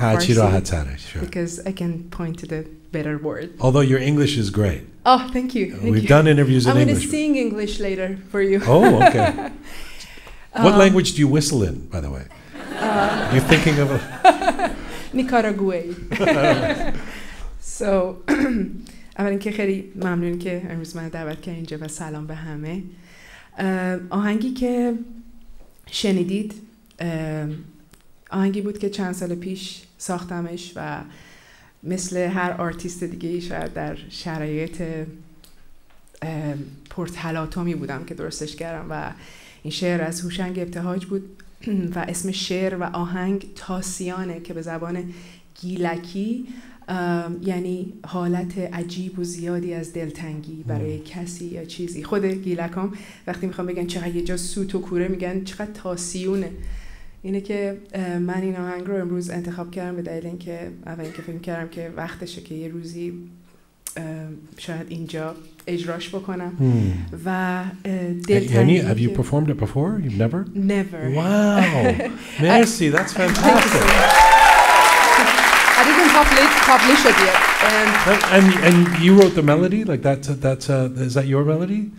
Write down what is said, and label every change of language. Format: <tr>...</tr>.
<en>Farsi. Sure. Because I can point to the better word. Although your English is great. Oh, thank you. We've done interviews in English. I'm going to sing English later for you. Oh, okay. What language do you whistle in, by the way? You're thinking of a Nicaragua.</en> <fa>So, اولین که خیلی ممنون که امروز من دعوت کردین اینجا و سلام به همه. آهنگی که شنیدید آهنگی بود که چند سال پیش ساختمش و مثل هر آرتیست دیگه ای شاید در شرایط پرتلاطمی بودم که درستش کردم و این شعر از هوشنگ ابتهاج بود و اسم شعر و آهنگ تاسیانه که به زبان گیلکی یعنی حالت عجیب و زیادی از دلتنگی برای کسی یا چیزی. خود گیلکام وقتی میخوام بگن چقدر یه جا سوت و کوره میگن چقدر تاسیونه. اینه که من این آهنگ رو امروز انتخاب کردم به دلیل اینکه اول اینکه فکر کردم که وقتشه که یه روزی شاید اینجا اجراش بکنم و دلتنگی.</fa> <en>یعنی have you performed it before? You've never? Never. Wow. Merci. That's fantastic. I didn't publish it yet. And you wrote the melody? Like that's is that your melody?</en>